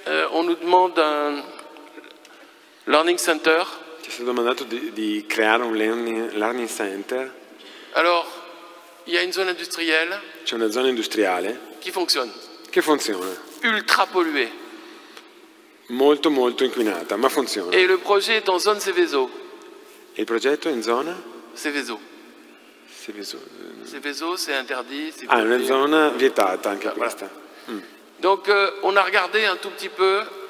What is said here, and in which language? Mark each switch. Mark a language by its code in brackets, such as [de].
[fr] On nous demande un learning center. [it] Ci si è domandato di creare un learning center. [fr] Alors, il y a une zone industrielle. [it] C'è una zona industriale. [fr] Qui fonctionne. [it] Che funziona. [fr] Ultra polluée. [it] Molto molto inquinata, ma funziona. [fr] Et le projet est en zone Seveso. [it] E il progetto è in zona? Seveso. Seveso. [fr] Seveso, c'est interdit. [it] Ah, una zona vietata anche ah, questa. [fr] Voilà. Mm. Donc on a regardé un tout petit peu.